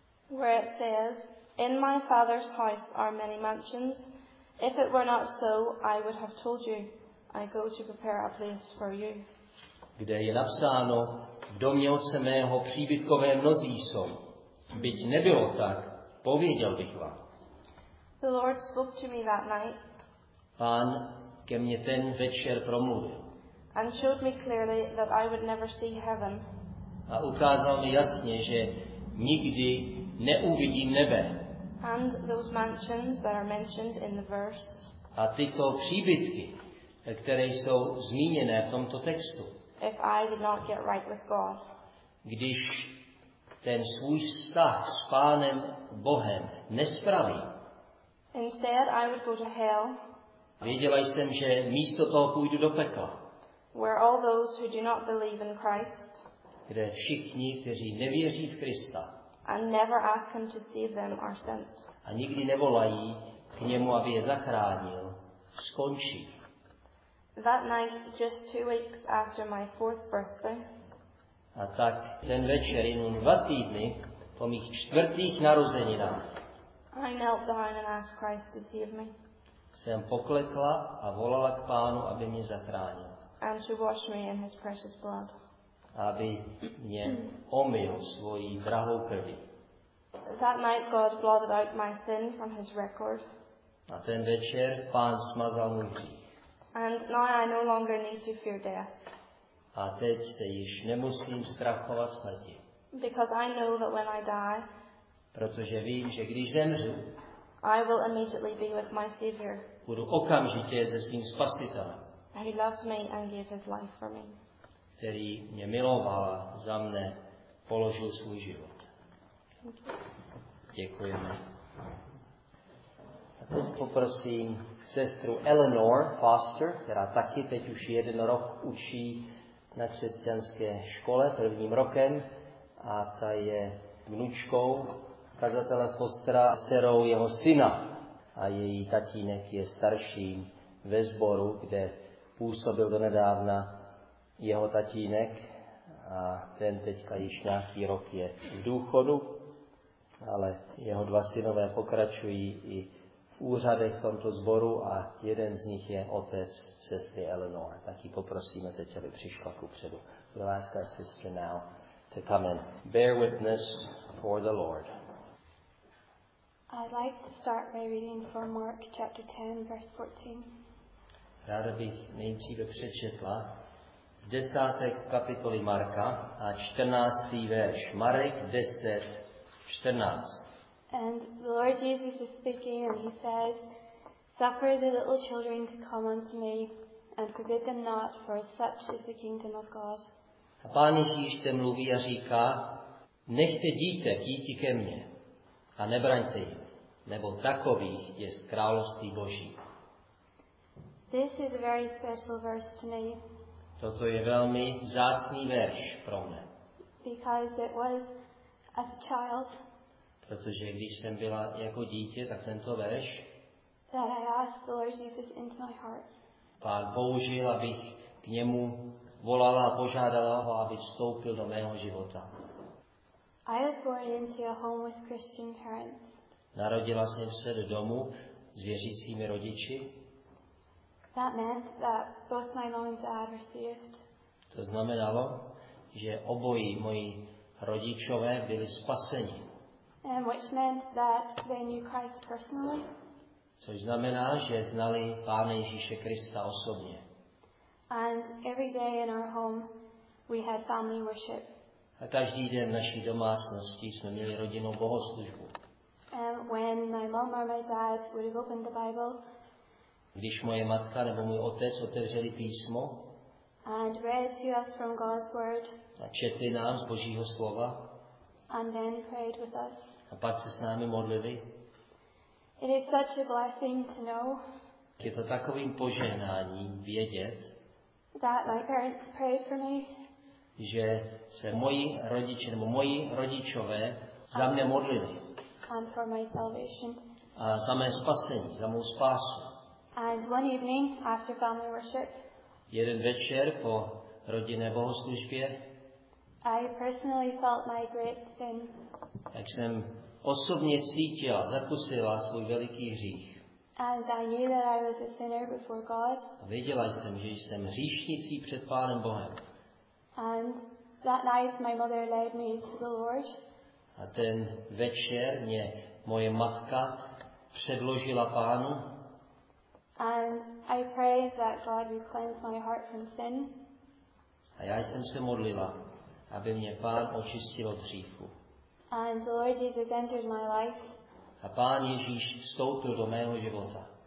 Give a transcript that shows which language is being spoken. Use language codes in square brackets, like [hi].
[en] Where it says, "In my father's house are many mansions. If it were not so, I would have told you. I go to prepare a place for you." [cs] Kde je napsáno, v domě otce mého příbytkové mnozí jsou. Byť nebylo tak, pověděl bych vám. [en] The Lord spoke to me that night. [cs] Pán ke mně ten večer promluvil. [en] And showed me clearly that I would never see heaven. [cs] A ukázal mi jasně, že nikdy neuvidím nebe. [en] And those mansions that are mentioned in the verse. [cs] A tyto příbytky, které jsou zmíněné v tomto textu. [en] If I did not get right with God. [cs] Když ten svůj vztah s Pánem Bohem nespraví. [en] Instead, I would go to hell. [cs] Věděla jsem, že místo toho půjdu do pekla. [en] Where all those who do not believe in Christ. [cs] Kde všichni, kteří nevěří v Krista. [en] And never ask him to save them or sent. [cs] A nikdy nevolají k němu, aby je zachránil. Skončí. [en] That night, just 2 weeks after my 4th birthday. [cs] A tak ten večer, jenom 2 týdny po mých 4. narozeninách. [en] I knelt down and asked Christ to save me. [cs] Jsem poklekla a volala k Pánu, aby mě zachránil. [en] And to wash me in his precious blood. [cs] Aby mě omyl svojí drahou krví. [en] That night God blotted out my sin from his record. [cs] A ten večer Pán smazal můj hřích. [en] And now I no longer need to fear death. [cs] A teď se již nemusím strachovat smrti. [en] Because I know that when I die, [cs] protože vím, že když zemřu, [en] I will immediately be with my Savior. [cs] Budu okamžitě se svým spasitelem. [en] He loves me and gave his life for me. [cs] Který mě miloval a za mne položil svůj život. Děkujeme. A teď poprosím sestru Eleanor Foster, která taky teď už 1 rok učí na křesťanské škole 1. rokem a ta je vnučkou kazatele Fostera, dcerou jeho syna a její tatínek je starším ve sboru, kde působil donedávna jeho tatínek a ten teďka již nějaký rok je v důchodu, ale jeho 2 synové pokračují i v úřadech v tomto sboru a jeden z nich je otec sestry Eleanor. Tak ji poprosíme teď, aby přišla kupředu. [en] We'll ask our sister now to come and bear witness for the Lord. I'd like to start by reading from Mark chapter 10, verse 14. [cs] Ráda bych nejdříve přečetla z 10. kapitoly Marka a 14. verš. Marek 10, 14. [en] And the Lord Jesus is speaking and he says, "Suffer the little children to come unto me and forbid them not, for such is the kingdom of God." [cs] A Pán Ježíš zde mluví a říká, nechte dítek jít ke mně a nebraňte jim, nebo takových je království Boží. [en] This is a very special verse to me. [cs] Toto je velmi vzácný verš pro mě. [en] Because it was as a child. [cs] Protože když jsem byla jako dítě, tak tento verš. [en] That I asked the Lord Jesus into my heart. [cs] Pán použil, abych k němu volala a požádala ho, aby vstoupil do mého života. [en] I was born into a home with Christian parents. [cs] Narodila jsem se do domu s věřícími rodiči. [en] That meant that both my mom and dad received. [cs] To znamenalo, že obojí moji rodičové byli spaseni. [en] Which meant that they knew Christ personally. [cs] Což znamená, že znali Pána Ježíše Krista osobně. [en] And every day in our home, We had family worship. [cs] A každý den v naší domácnosti jsme měli rodinnou bohoslužbu. [en] When my mom or my dad would have opened the Bible. [cs] Když moje matka nebo můj otec otevřeli písmo. [en] And read to us from God's word. [cs] A četli nám z Božího slova. [en] And then prayed with us. [cs] A pak se s námi modlili. [en] It is such a blessing to know. [cs] Je to takovým požehnáním vědět. [en] That my parents prayed for me. [cs] Že se moji rodiče nebo moji rodičové za mě modlili. [en] And for my salvation. [cs] A za mé spasení, za mou spásu. [en] And one evening after family worship. [cs] Jeden večer po rodinné bohoslužbě. [en] I personally felt my great sin. [cs] Tak jsem osobně cítila, zakusila svůj veliký hřích. [en] And I knew that I was a sinner before God. [cs] A věděla jsem, že jsem hříšnicí před Pánem Bohem. [en] And that night my mother led me to the Lord. [cs] A ten večer mě moje matka předložila Pánu. [en] And I prayed that God would cleanse my heart from sin. [cs] A já jsem se modlila, aby mě Pán očistil od hříchu. [en] And the Lord Jesus entered my life. [cs] A Pán Ježíš vstoupil do mého života.